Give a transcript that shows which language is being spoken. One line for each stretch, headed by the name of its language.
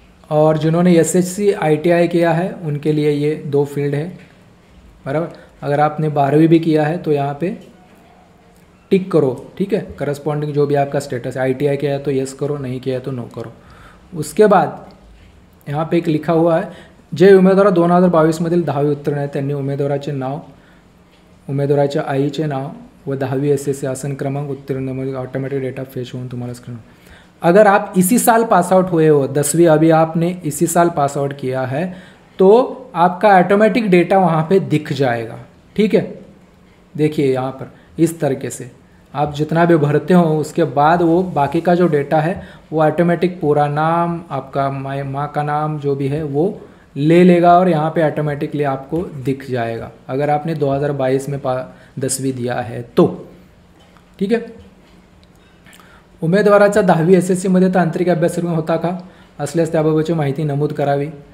Hindi: और जिन्होंने SSC ITI किया है उनके लिए ये दो फील्ड है, बराबर। अगर आपने बारहवीं भी किया है तो यहाँ पे टिक करो, ठीक है, करस्पॉन्डिंग जो भी आपका स्टेटस है, आईटीआई किया है तो यस करो, नहीं किया तो नो करो। उसके बाद यहाँ पे एक लिखा हुआ है
Marathi: जे उमेदवार 2022 मधील 10वी उत्तीर्ण आहेत त्यांनी उमेदवाराचे नाव, उमेदवाराच्या आईचे नाव व 10वी SSC आसन क्रमांक उत्तीर्ण मध्ये ऑटोमेटिक डेटा फेच होऊन तुम्हाला स्क्रीन।
Hindi: अगर आप इसी साल पास आउट हुए हो, 10वी अभी आपने इसी साल पास आउट किया है, तो आपका ऑटोमेटिक डेटा वहाँ पे दिख जाएगा। ठीक है, देखिए यहाँ पर इस तरीके से आप जितना भी भरते हो उसके बाद वो बाकी का जो डेटा है वो ऑटोमेटिक पूरा नाम, आपका माँ का नाम जो भी है वो ले लेगा और यहाँ पे ऑटोमेटिकली आपको दिख जाएगा अगर आपने 2022 में 10वी दिया है तो। ठीक है,
Marathi: उमेदवाराचा 10वी SSC मध्ये तांत्रिक अभ्यासक्रम होता का असल्यास त्याबाबतची माहिती नमूद करावी।